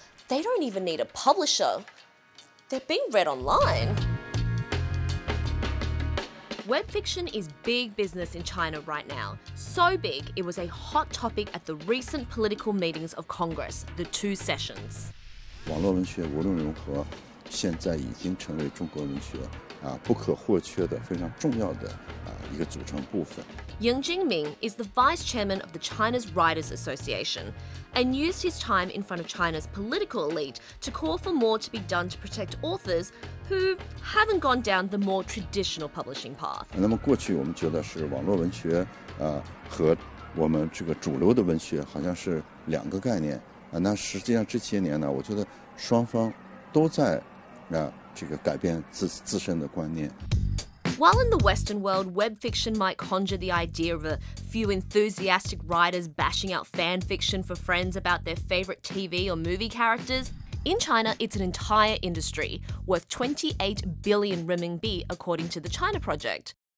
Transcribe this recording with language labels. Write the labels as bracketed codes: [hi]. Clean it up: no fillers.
[en] They don't even need a publisher. They're being read online. Web fiction is big business in China right now. So big, it was a hot topic at the recent political meetings of Congress, the two sessions. [zh] 网络文学无论如何现在已经成为中国文学不可或缺的非常重要的一个组成部分。 [en] Ying Jingming is the vice chairman of the China's Writers Association and used his time in front of China's political elite to call for more to be done to protect authors who haven't gone down the more traditional publishing path. [zh] 那么过去我们觉得是网络文学和我们这个主流的文学好像是两个概念，那实际上这些年呢，我觉得双方都在改变自身的观念。 [en] While in the Western world, web fiction might conjure the idea of a few enthusiastic writers bashing out fan fiction for friends about their favourite TV or movie characters, in China, it's an entire industry, worth 28 billion renminbi, according to the China Project.